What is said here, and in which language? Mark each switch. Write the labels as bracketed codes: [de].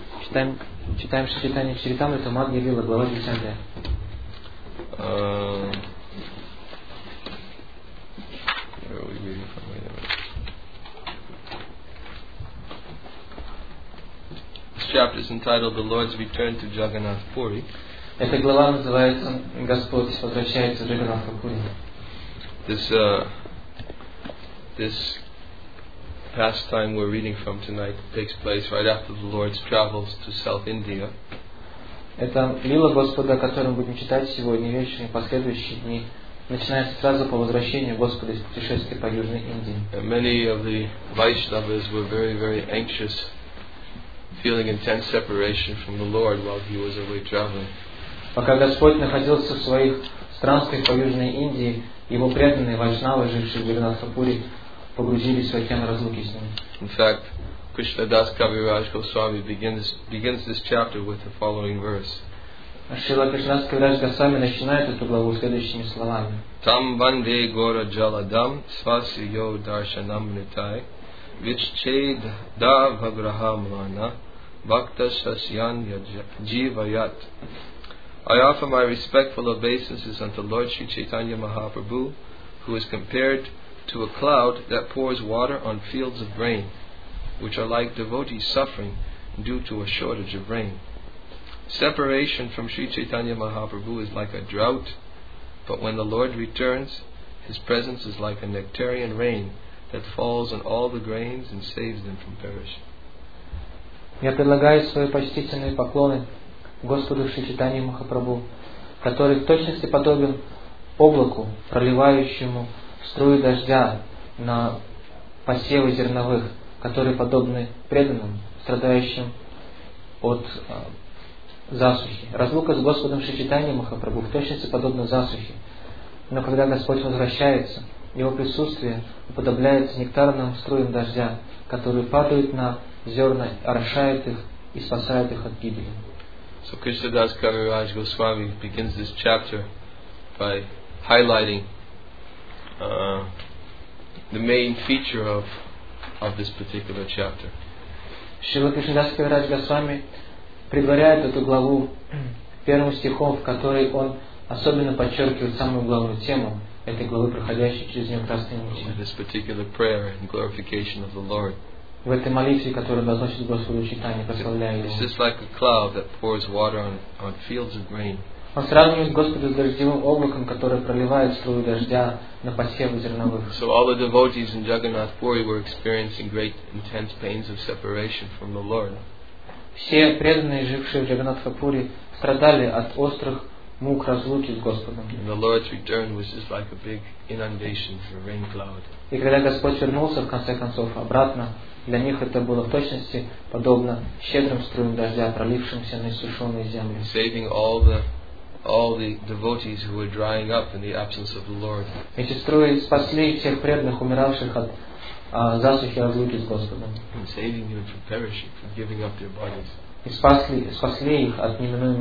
[ru] Читаем Chaitanya Charitamrita Madhya Lila, глава 10. [en] Where are we reading from? Wait a minute. This chapter is entitled The Lord's Return to Jagannath Puri. [ru] Эта глава называется Господь возвращается в Джаганнатху Пури. [en] This pastime we're reading from tonight takes place right after the Lord's travels to South India. [ru] Это лила Господа, которую мы будем читать сегодня вечером и последующие дни. Начинается сразу по возвращению Господа из путешествия по Южной Индии. [en] And many of the Vaishnavas were very, very anxious, feeling intense separation from the Lord while he was away traveling. [ru] Пока Господь находился в своих странствиях по Южной Индии, его преданные Вайшнавы, жившие в Вриндаван-пури, погрузились в океан разлуки с ним. [en] In fact, Krishna Das Kaviraj Goswami begins this chapter with the following verse. [ru] Шрила Кришнадас Кавирадж Госвами начинает эту главу следующими словами. [sa] Там банде гора джаладам сваси йо даршанам нитай виччейд да ваграхам лана бхакта сасьян дживайат. [en] I offer my respectful obeisances unto Lord Sri Chaitanya Mahaprabhu, who is compared to a cloud that pours water on fields of rain, which are like devotees suffering due to a shortage of rain. Separation from Sri Chaitanya Mahaprabhu is like a drought, but when the Lord returns, His presence is like a nectarian rain that falls on all the grains and saves them from perishing. [ru] Я предлагаю свои почтительные поклоны Господу Шри Чайтанья Махапрабху, который в точности подобен облаку, проливающему струи дождя на посевы зерновых, которые подобны преданным, страдающим от засухи. Разлука с Господом Шри Чайтанья Махапрабху в точности подобна засухе. Но когда Господь возвращается, Его присутствие уподобляется нектарным струям дождя, которые падают на зерна, орошают их и спасают их от гибели. [en] So Krishna Das Kaviraj Goswami begins this chapter by highlighting the main feature of this particular chapter. [ru] Шрила Кришна Дас Кавирадж Госвами предваряет эту главу первым стихом, в которой он особенно подчеркивает самую главную тему этой главы, проходящей через нее красные нити. [en] This particular prayer and glorification of the Lord. [ru] В этой молитве, которую обозначит Господу Чайтанья, прославляя Его. [en] It's just like a cloud that pours water on fields of rain. [ru] Он сравнивает Господа с дождевым облаком, которое проливает струю дождя на посевы зерновых. [en] So all the devotees in Jagannath Puri were experiencing great intense pains of separation from the Lord. [ru] Все преданные, жившие в Джаганнатхапуре, страдали от острых мук разлуки с Господом. [en] And the Lord's return was just like a big inundation for a rain cloud. [ru] И когда Господь вернулся, в конце концов, обратно, для них это было в точности подобно щедрым струям дождя, пролившимся на иссушенные земли. [en] Saving all the devotees who were drying up in the absence of the Lord. [ru] Эти струи спасли всех преданных, умиравших от засухи и разлуки с Господом. [en] And saving them from perishing, from giving up their bodies. [ru] И спасли их от неминуемой